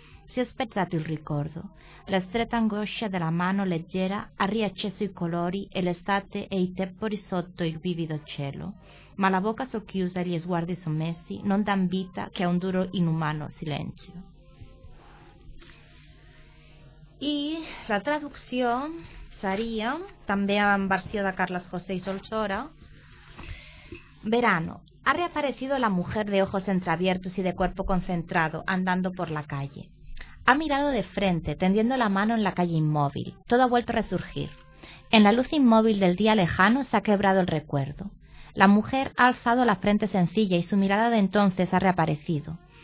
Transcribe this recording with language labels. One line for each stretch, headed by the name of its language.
Italian: Si è spezzato il ricordo. La stretta angoscia della mano leggera ha riacceso i colori e l'estate e i tepori sotto il vivido cielo. Ma la bocca socchiusa e gli sguardi sommessi non dan vita che a un duro inumano silenzio. E la traduzione sarebbe,
Catalan: també a versió de Carles José i Solsora, verano.
Spanish: Ha reaparecido la mujer de ojos entreabiertos y de cuerpo concentrado, andando por la calle. Ha mirado de frente, tendiendo la mano en la calle inmóvil. Todo ha vuelto a resurgir. En la luz inmóvil del día lejano se ha quebrado el recuerdo. La mujer ha alzado la frente sencilla y su mirada de entonces ha reaparecido.